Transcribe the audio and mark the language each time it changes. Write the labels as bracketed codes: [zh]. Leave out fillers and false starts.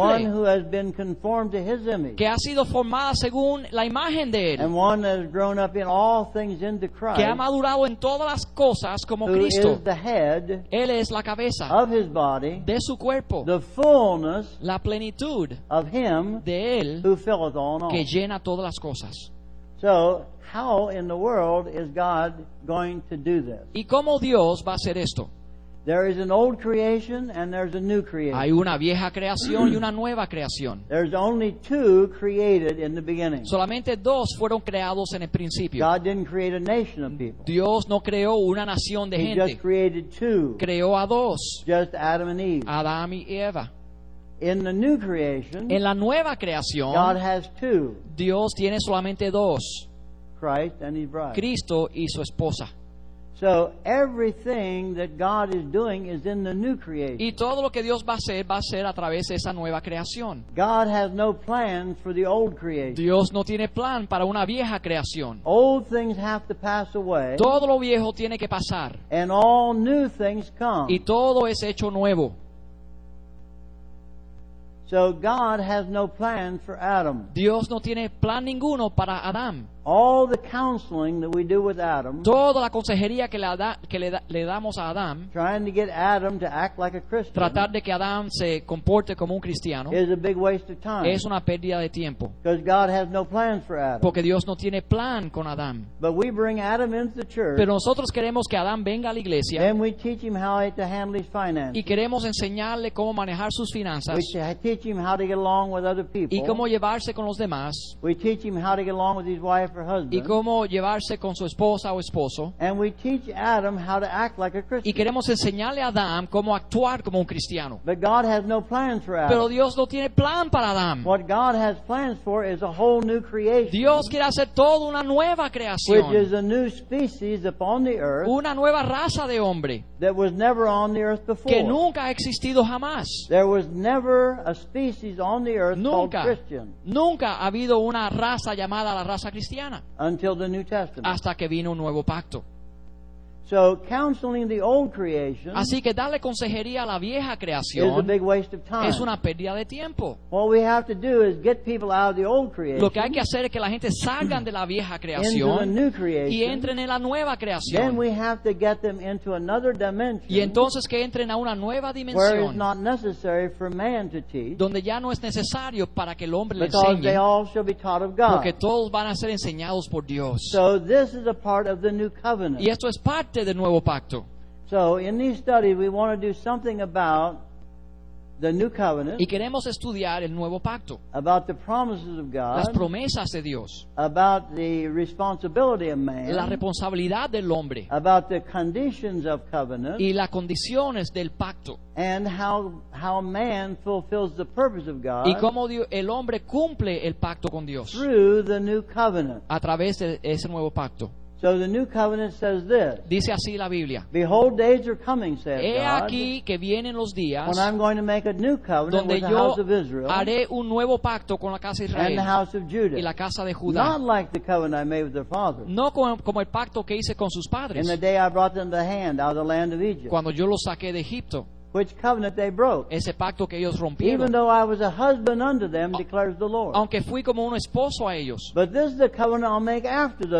[en] One who has been conformed to His image. [es] Que ha sido formada según la imagen de Él. [en] And one that has grown up in all things into Christ. [es] Que ha madurado en todas las cosas como [en] who [es] Cristo. [en] Who is the head. [es] Él es la cabeza. [en] Of His body. [es] De su cuerpo. [en] The fullness. [es] La plenitud. [en] Of Him. [es] De Él. [en] Who filleth all in all. [es] Que llena todas las cosas. [en] So, how in the world is God going to do this? [es] ¿Y cómo Dios va a hacer esto? [en] There is an old creation and there's a new creation. [es] Hay una vieja creación y una nueva creación. [en] There's only two created in the beginning. [es] Solamente dos fueron creados en el principio. [en] God didn't create a nation of people. [es] Dios no creó una nación de [en] he [es] gente. [en] He just created two. [es] Creó a dos. [en] Just Adam and Eve. [es] Adam y Eva. [en] In the new creation, [es] en la nueva creación, [en] God has two. [es] Dios tiene solamente dos. [en] Christ and His bride. [es] Cristo y su esposa. [en] So everything that God is doing is in the new creation. [es] Y todo lo que Dios va a ser a través de esa nueva creación. [en] God has no plans for the old creation. [es] Dios no tiene plan para una vieja creación. [en] Old things have to pass away. [es] Todo lo viejo tiene que pasar. [en] And all new things come. [es] Y todo es hecho nuevo. [en] So God has no plan for Adam. [es] Dios no tiene plan ninguno para Adam. [en] All the counseling that we do with Adam. [es] Toda la consejería que le damos a Adam. [en] Trying to get Adam to act like a Christian. [es] Tratar de que Adam se comporte como un cristiano. [en] Is a big waste of time. [es] Es una pérdida de tiempo. [en] Because God has no plan for Adam. [es] Porque Dios no tiene plan con Adam. [en] But we bring Adam into the church. [es] Pero nosotros queremos que Adam venga a la iglesia. [en] Then we teach him how to handle his finances. [es] Y queremos enseñarle cómo manejar sus finanzas. [en] We teach him how to get along with other people. [es] Y cómo llevarse con los demás. [en] We teach him how to get along with his wife. [es] Y cómo llevarse con su esposa o esposo. [en] And we teach Adam how to act like a Christian. [es] Y queremos enseñarle a Adam cómo actuar como un cristiano. [en] But God has no plans for Adam. [es] Pero Dios no tiene plan para Adam. [en] What God has plans for is a whole new creation. [es] Dios quiere hacer toda una nueva creación. [en] Which is a new species upon the earth. [es] Una nueva raza de hombre. [en] That was never on the earth before. [es] Que nunca ha existido jamás. [en] There was never a species on the earth [es] nunca, [en] called Christian. [es] Nunca ha habido una raza llamada la raza cristiana. [en] Until the New Testament. [es] Hasta que vino un nuevo pacto. [en] So counseling the old creation. [es] Así que darle consejería a la vieja creación. [en] Is a big waste of time. [es] Es una pérdida de tiempo. [en] What we have to do is get people out of the old creation. [es] Lo que hay que hacer es que la gente salgan de la vieja creación. [en] Into the new creation. [es] Y entren en la nueva creación. [en] Then we have to get them into another dimension. [es] Y entonces que entren a una nueva dimensión. [en] Where it's not necessary for man to teach. [es] Donde ya no es necesario para que el hombre le enseñe. [en] Because they all shall be taught of God. [es] Porque todos van a ser enseñados por Dios. [en] So this is a part of the new covenant. [es] Y esto es parte del nuevo pacto. [en] So in these studies we want to do something about the new covenant. [es] Y queremos estudiar el nuevo pacto. [en] About the promises of God. [es] Las promesas de Dios. [en] About the responsibility of man. [es] La responsabilidad del hombre. [en] About the conditions of covenant. [es] Y las condiciones del pacto. [en] And how man fulfills the purpose of God. [es] Y cómo el hombre cumple el pacto con Dios. [en] Through the new covenant. [es] A través de ese nuevo pacto. [en] So the new covenant says this. [es] Dice así la Biblia. [en] Behold, days are coming, says God. [es] He aquí que vienen los días. [en] When I'm going to make a new covenant [es] donde [en] with the house of Israel. [es] Haré un nuevo pacto con la casa de Israel. [en] And the house of Judah. [es] Y la casa de Judá. [en] Not like the covenant I made with their fathers. [es] No como el pacto que hice con sus padres. [en] In the day I brought them the hand out of the land of Egypt. [es] Cuando yo los saqué de Egipto. [en] which covenant they broke. [es] Ese pacto que ellos rompieron. [en] Even though I was a husband unto them, declares the Lord. [es] Aunque fui como un esposo a ellos. [en] But this is the covenant I'll make after those